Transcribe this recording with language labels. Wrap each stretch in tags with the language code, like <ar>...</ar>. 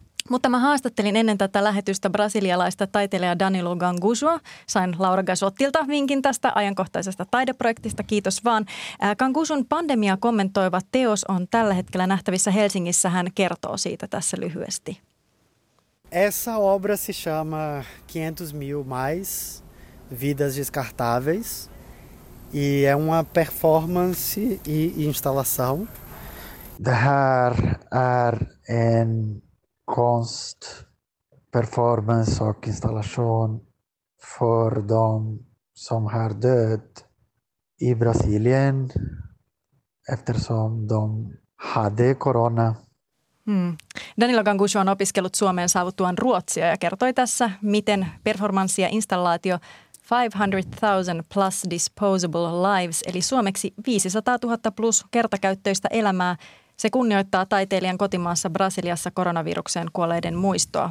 <fi>Mutta mä haastattelin ennen tätä lähetystä brasilialaista taiteilijaa Danilo Ganguzua. Sain Laura Gasottilta vinkin tästä ajankohtaisesta taideprojektista. Kiitos vaan. Ganguzun pandemia kommentoiva teos on tällä hetkellä nähtävissä Helsingissä. Hän kertoo siitä tässä lyhyesti.</fi> <pt>Essa obra se chama 500.000 mais vidas descartáveis e é uma performance e instalação.</pt> <sv>Dar ar en Konst, performance och installation för de som har dött i Brasilien eftersom de hade corona.</sv> <fi>Danilo Ganguzu on opiskellut Suomeen saavuttuaan Ruotsia ja kertoi tässä, miten performanssi ja installaatio</fi> <en>500,000 plus disposable lives,</en> <fi>eli suomeksi 500 000 plus kertakäyttöistä elämää, se kunnioittaa taiteilijan kotimaassa Brasiliassa koronavirukseen kuolleiden muistoa.</fi>